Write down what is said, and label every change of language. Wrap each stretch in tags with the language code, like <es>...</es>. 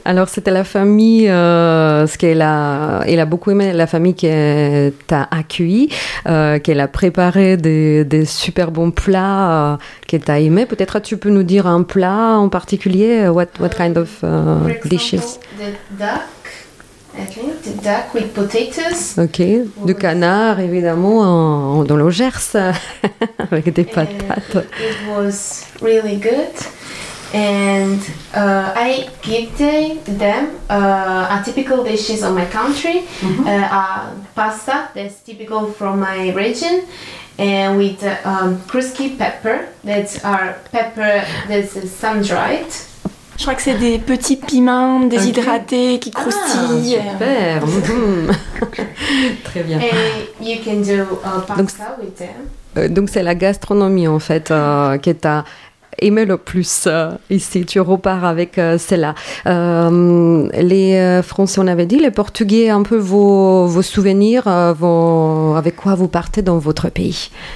<fr>Alors c'était la famille, ce qu'elle a, elle a beaucoup aimé, la famille qui t'a accueilli, qu'elle a préparé des super bons plats, qu'elle t'a aimé. Peut-être tu peux nous dire un plat en particulier.</fr> <en>What kind of dishes? For example, the duck, I think the duck with potatoes. Okay.</en> <fr>Du canard évidemment dans le Gers avec des patates.</fr> <en>It was really good. And I give them a typical dishes of my country, mm-hmm. Pasta that's typical from my region, and with crusky pepper, that are pepper that's sun dried.</en> <fr>Je crois que c'est des petits piments déshydratés, okay. qui croustillent. Ah, super. Très bien.</fr> <en>And you can do pasta donc, with them.</en> <fr>Donc c'est la gastronomie en fait qui t'a aimé le plus ici, tu repars avec celle-là. Les Français, on avait dit, les Portugais, un peu vos souvenirs, avec quoi vous partez dans votre pays.</fr>